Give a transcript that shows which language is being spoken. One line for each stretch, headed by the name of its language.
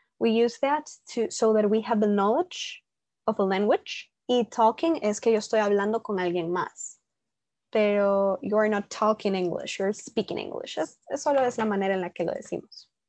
English: We use that to so that we have the knowledge of a language.
Spanish: Y talking es que yo estoy hablando con alguien más.
English: Pero you are not talking English, you're speaking English.
Spanish: Es solo es la manera en la que lo decimos.